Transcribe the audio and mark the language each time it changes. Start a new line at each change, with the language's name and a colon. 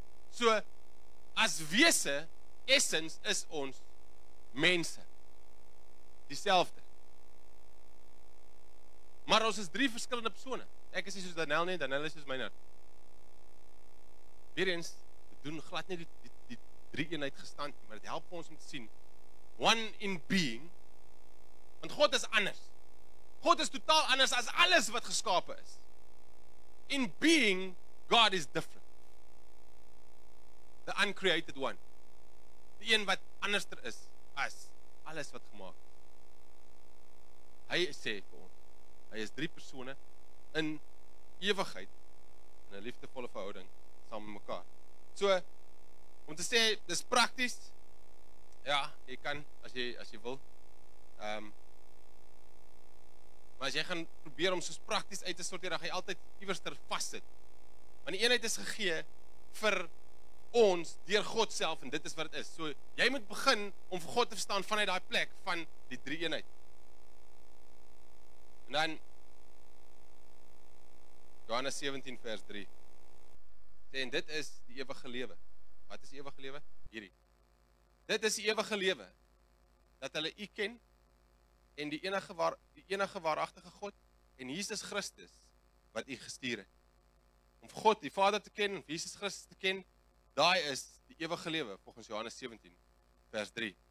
Afrikaans: So, as wese, essence, is ons mense. Dieselfde. Maar ons is drie verskillende persone. Ek is nie soos Danel nie, Danel is soos myne. Weer eens, we doen glad nie die drie eenheid gestand, maar het help ons om te sien,
English: one in being,
Afrikaans: want God is anders. God is totaal anders as alles wat geskape is.
English: In being, God is different. The uncreated one.
Afrikaans: Die een wat anderster is as alles wat gemaak is. Hy sê vir ons, hy is drie persone in ewigheid, in 'n liefdevolle verhouding, saam met mekaar. So, om te sê, dis prakties, ja, jy kan, as jy wil, maar as jy gaan probeer om soos prakties uit te sorteer, dan gaan jy altyd iewerster vaszit. Want die eenheid is gegee vir ons deur God self en dit is wat het is. So jy moet begin om vir God te verstaan vanuit daai plek van die drie eenheid. En dan Johannes 17 vers 3 sê en dit is die ewige lewe. Wat is die ewige lewe? Hierdie. Dit is die ewige lewe dat hulle u ken en die enige waaragtige God en Jesus Christus wat u gestuur het. Om God die Vader te ken en Jesus Christus te ken, daai is die ewige lewe volgens Johannes 17 vers 3.